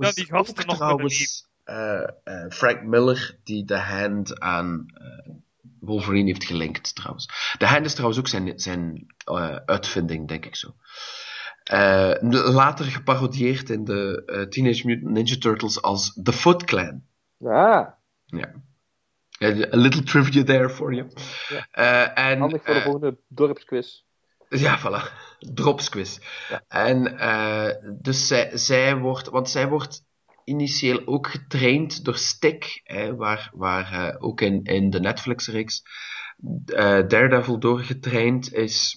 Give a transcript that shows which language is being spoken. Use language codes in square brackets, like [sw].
[nl] Ook trouwens, Frank Miller, die de hand aan Wolverine heeft gelinkt, trouwens. De hand is trouwens ook zijn uitvinding, denk ik zo. Later geparodieerd in de Teenage Mutant Ninja Turtles als The Foot Clan. Ja. Ja. [en] A little trivia there for you. [nl] Ja. Handig voor de volgende dorpsquiz. Ja, voilà. Dropsquiz. Ja. En dus zij wordt... Want zij wordt initieel ook getraind door Stick. Ook in de Netflix-reeks Daredevil doorgetraind is.